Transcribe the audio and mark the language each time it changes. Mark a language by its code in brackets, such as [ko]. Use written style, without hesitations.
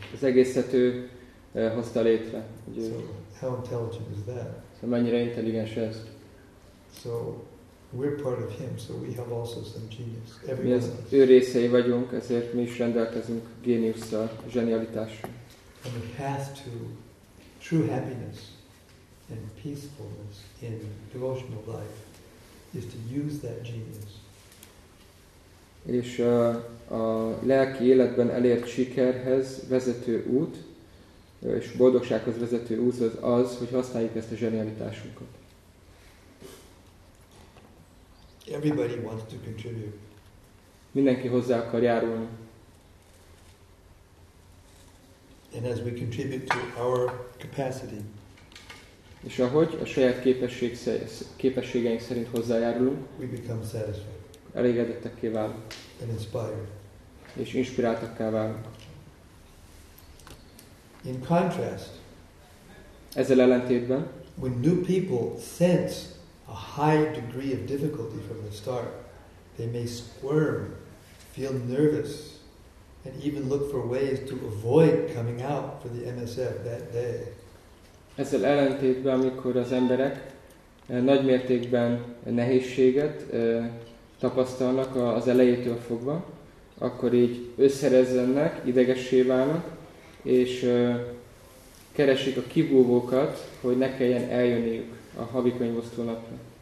[hu] Az egészet ő hozta létre. [en] So how intelligent is that? [hu] Szóval mennyire intelligens ez? [en] So we're part of him, so we have also some genius. Everyone. [hu] Mi az ő részei vagyunk, ezért mi is rendelkezünk géniusszal, zsenialitással. [en] And the path to true happiness and peacefulness in devotional life is to use that genius. [hu] És a lelki életben elért sikerhez vezető út, és boldogsághoz vezető út az, hogy használjuk ezt a zsenialitásunkat. [en] Everybody wants to contribute. [hu] Mindenki hozzá akar járulni. [en] And as we contribute to our capacity. [hu] És ahogy a saját képességeink szerint hozzájárulunk, [en] we become satisfied. [hu] Elégedettekké válunk. [en] And inspired. [hu] És inspiráltakká válunk. [en] In contrast, [hu] ezzel ellentétben, [en] when new people sense a high degree of difficulty from the start, they may squirm, feel nervous, and even look for ways to avoid coming out for the MSF that day. [hu] Ezzel ellentétben, amikor az emberek nagy mértékben nehézséget tapasztalnak az elejétől fogva, akkor így összerezzenek, idegessé válnak, és keresik a kibúvókat, hogy ne kelljen eljönniük a havi könyvosztó napra.